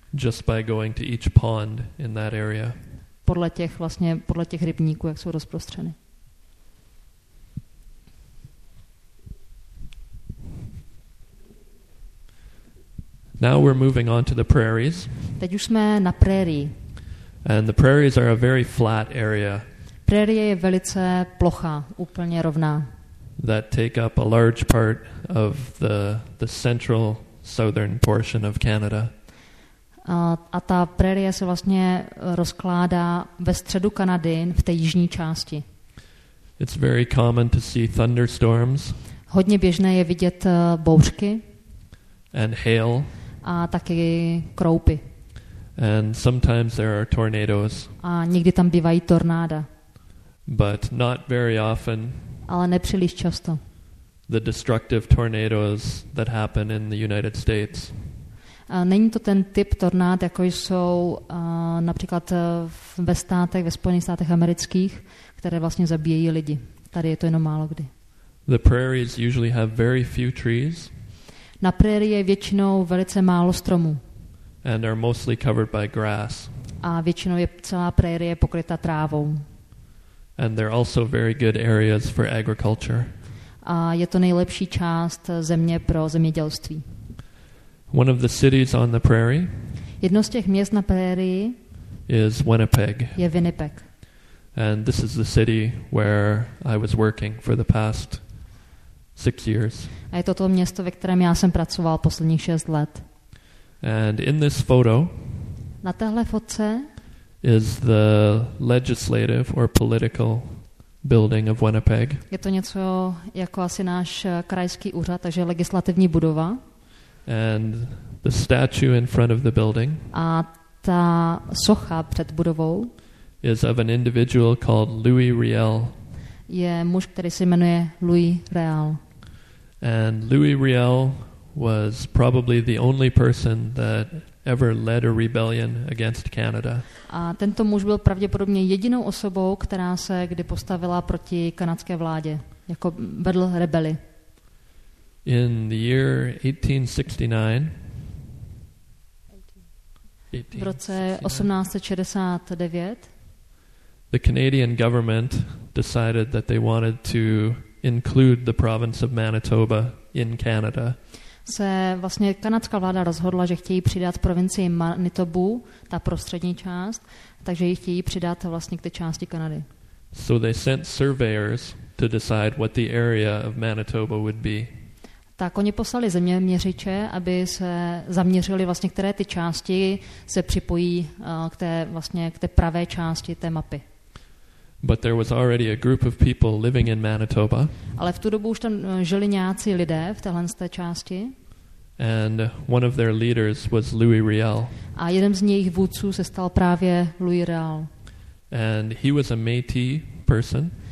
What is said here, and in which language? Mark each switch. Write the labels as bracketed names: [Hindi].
[English] Just by going to each pond in that area. [Czech] Podle těch rybníků, jak jsou rozprostřeny. [English] Now we're moving on to the prairies. [Czech] Teď už jsme na prérii. [English] And the prairies are a very flat area. [Czech] Prérie je velice plochá, úplně rovná. [English] That take up a large part of the central southern portion of Canada. [Czech] A ta prérie se vlastně rozkládá ve středu Kanady, v té jižní části. [English] It's very common to see thunderstorms. [Czech] Hodně běžné je vidět bouřky. [English] And hail. [Czech] A taky kroupy. [English] And sometimes there are tornadoes. [Czech] A někdy tam bývají tornáda. [English] But not very often. [Czech] Ale nepříliš často. [English] The destructive tornadoes that happen in the United States. [Czech] A není to ten typ tornád, jako jsou například ve státech, ve Spojených státech amerických, které vlastně zabíjejí lidi. Tady je to jenom málo kdy. [English] The prairies usually have very few trees. [Czech] Na prérii je většinou velice málo stromů. [English] And are mostly covered by grass. [Czech] A většinou je celá prérie pokryta trávou. [English] And they're also very good areas for agriculture. [Czech] A je to nejlepší část země pro zemědělství. [English] One of the cities on the prairie. [Czech] Jedno z těch měst na prérii [English] is Winnipeg. [Czech] Je Winnipeg. [English] And this is the city where I was working for the past 6 years. [Czech] A je to to město, ve kterém já jsem pracoval posledních 6 let. [English] And in this photo, [Czech] na téhle fotce, [English] is the legislative or political building of Winnipeg. [Czech] Je to něco jako asi náš krajský úřad, takže legislativní budova. [English] And the statue in front of the building. [Czech] A ta socha před budovou [English] is of an individual called Louis Riel. [Czech] Je muž, který se jmenuje Louis Riel. [English] And Louis Riel was probably the only person that ever led a rebellion against Canada. [Czech] A tento muž byl pravděpodobně jedinou osobou, která se kdy postavila proti kanadské vládě, jako vedl rebeli. [English] In the year 1869, [Czech] v roce 1869, [English] the Canadian government decided that they wanted to include the province of Manitoba in Canada. [Czech] Se vlastně kanadská vláda rozhodla, že chtějí přidat provincii Manitobu, ta prostřední část, takže ji chtějí přidat vlastně k té části Kanady. [English] So they sent surveyors to decide what the area of Manitoba would be. [Czech] Tak oni poslali zeměměřiče, aby se zaměřili vlastně, které ty části se připojí k té vlastně k té pravé části té mapy. [English] But there was already a group of people living in Manitoba. [Czech] Ale v tu dobu už tam žili nějací lidé v téhle té části. [English] And one of their leaders was Louis Riel. [Czech] A jeden z jejich vůdců se stal právě Louis Riel. [English] And he was a Métis person.